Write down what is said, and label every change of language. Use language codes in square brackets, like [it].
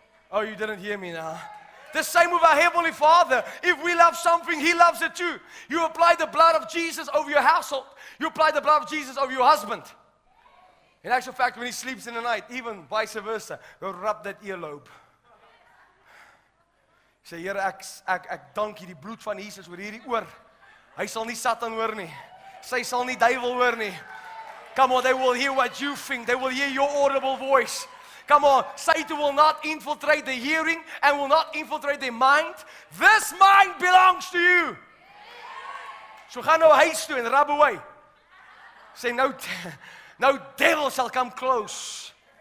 [en] Oh, you didn't hear me now. The same with our Heavenly Father. If we love something, He loves it too. You apply the blood of Jesus over your household. You apply the blood of Jesus over your husband. In actual fact, when he sleeps in the night, even vice versa, we'll rub that earlobe. [af] Say, Here, ek dank hierdie bloed van Jesus oor hierdie oor. Hy sal nie Satan hoor nie. Sy sal nie duivel hoor nie. [en] Come on, they will hear what you think. They will hear your audible voice. Come on, Satan will not infiltrate the hearing and will not infiltrate the mind. This mind belongs to you. [af] So gaan nou huis toe en rub away. [en] Say, no devil shall come close.